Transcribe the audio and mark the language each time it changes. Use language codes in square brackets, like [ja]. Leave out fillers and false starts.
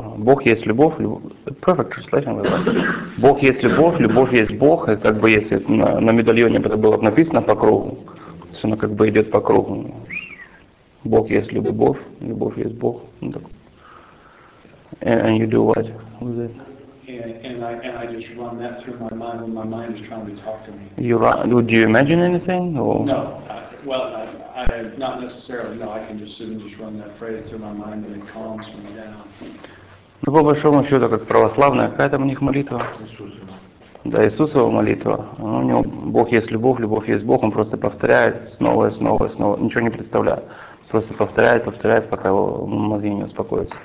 [ru] Бог есть любовь, [en] perfect translation. [ru] Бог есть любовь, любовь есть Бог. И как бы если на медальоне это было бы написано по кругу, то оно как бы идет по кругу. Бог есть любовь, любовь есть Бог. [en] And you do what? With it? And I just run that through my mind when my mind is trying to talk to me. You run? Do you imagine anything? Or? No. I not necessarily. No, I can just sit and just run that phrase through my mind, and it calms me down. [ru] Ну, по большому счету, как православная, какая там у них молитва? Иисусова. Да, Иисусова молитва. Ну, у него Бог есть любовь, любовь есть Бог. Он просто повторяет снова и снова и снова. Ничего не представляет. Просто повторяет, повторяет, пока его мозги не успокоятся.